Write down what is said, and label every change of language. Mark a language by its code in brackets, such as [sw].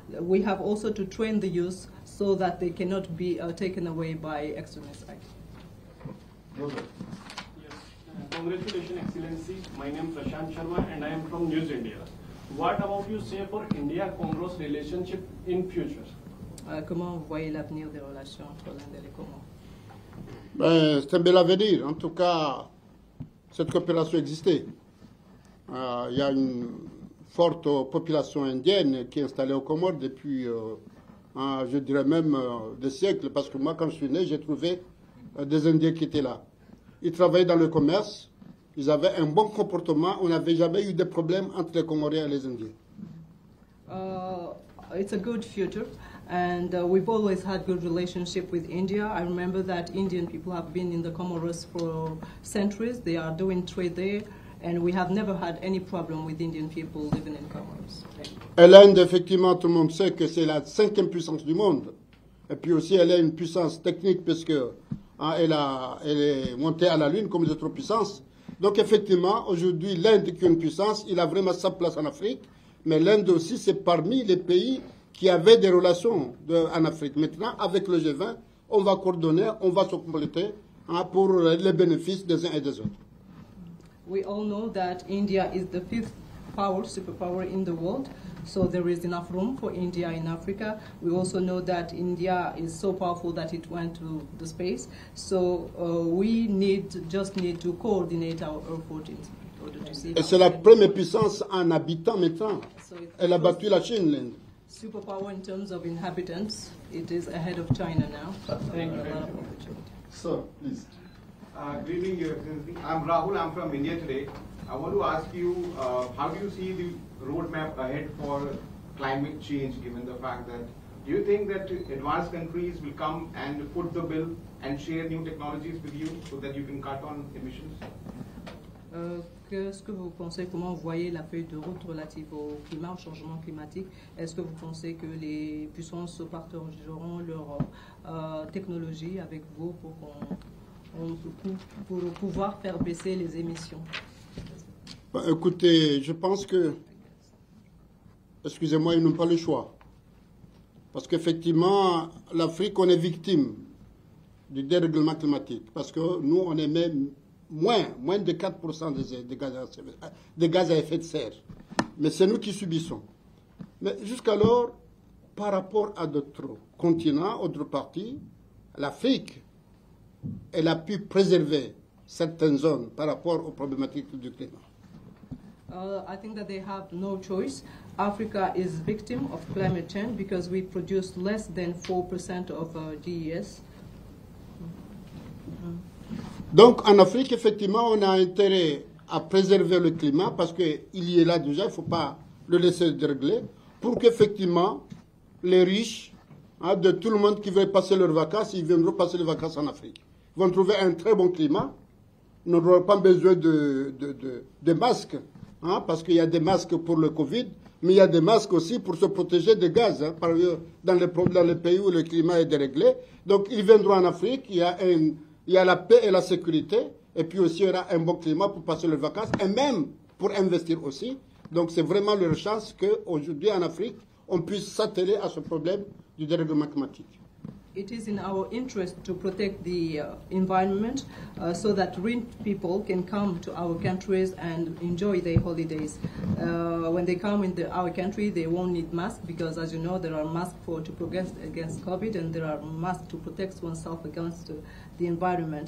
[en] We have also to train the youth so that they cannot be taken away by extremist acts. Congratulations, Excellency. My name is Prashant Sharma and I am from News India. What about you say for India-Congo relationship in future? [fr] Comment vous voyez l'avenir des relations entre l'Inde et le Congo? C'est un bel avenir. En tout cas, cette coopération existait. Il y a une forte population indienne qui est installée au Comores depuis, je dirais même, des siècles. Parce que moi, quand je suis né, j'ai trouvé des Indiens qui étaient là. Ils travaillaient dans le commerce, ils avaient un bon comportement, on n'avait jamais eu de problème entre les Comoriens et les Indiens. [en] It's a good future, and we've always had good relationship with India. I remember that Indian people have been in the Comoros for centuries, they are doing trade there, and we have never had any problem with Indian people living in Comoros. [fr] Et l'Inde, effectivement, tout le monde sait que c'est la cinquième puissance du monde, et puis aussi elle est une puissance technique parce que elle est montée à la Lune comme une autre puissance. Donc effectivement, aujourd'hui, l'Inde qui est une puissance, il a vraiment sa place en Afrique. Mais l'Inde aussi, c'est parmi les pays qui avaient des relations en Afrique. Maintenant, avec le G20, on va coordonner, on va se compléter pour les bénéfices des uns et des autres. [en] We all know that India is the fifth power, superpower in the world. So there is enough room for India in Africa. We also know that India is so powerful that it went to the space. So we just need to coordinate our effort in order to see. [fr] Et c'est la première puissance en habitants maintenant. Elle a battu la Chine, l'Inde. [en] Superpower in terms of inhabitants, it is ahead of China now. Thank you. Sir, please. Greetings, Your Excellency. I'm Rahul. I'm from India today. I want to ask you, how do you see the roadmap ahead for climate change, given the fact that, do you think that advanced countries will come and foot the bill and share new technologies with you so that you can cut on emissions? [fr] Qu'est-ce que vous pensez, comment vous voyez la feuille de route relative au climat, au changement climatique? Est-ce que vous pensez que les puissances partageront leur technologie avec vous pour qu'on... pour pouvoir faire baisser les émissions? Bah, écoutez, je pense que, excusez-moi, ils n'ont pas le choix. Parce qu'effectivement, l'Afrique, on est victime du dérèglement climatique. Parce que nous, on émet moins de 4% des gaz à effet de serre. Mais c'est nous qui subissons. Mais jusqu'alors, par rapport à d'autres continents, d'autres parties, l'Afrique, elle a pu préserver certaines zones par rapport aux problématiques du climat. [en] I think that they have no choice. Africa is victim of climate change because we produce less than 4% of GES. [fr] Donc en Afrique, effectivement, on a intérêt à préserver le climat parce qu'il y est là déjà, il ne faut pas le laisser dérégler pour qu'effectivement les riches de tout le monde qui veulent passer leurs vacances, ils viendront passer les vacances en Afrique. Vont trouver un très bon climat, n'auront pas besoin de masques, hein, parce qu'il y a des masques pour le Covid, mais il y a des masques aussi pour se protéger des gaz, hein, par ailleurs, dans les pays où le climat est déréglé. Donc ils viendront en Afrique, il y a la paix et la sécurité, et puis aussi il y aura un bon climat pour passer leurs vacances, et même pour investir aussi. Donc c'est vraiment leur chance qu'aujourd'hui en Afrique, on puisse s'atteler à ce problème du dérèglement climatique. [en] It is in our interest to protect the environment so that rich people can come to our countries and enjoy their holidays. When they come into our country, they won't need masks because, as you know, there are masks to protect against COVID and there are masks to protect oneself against the environment.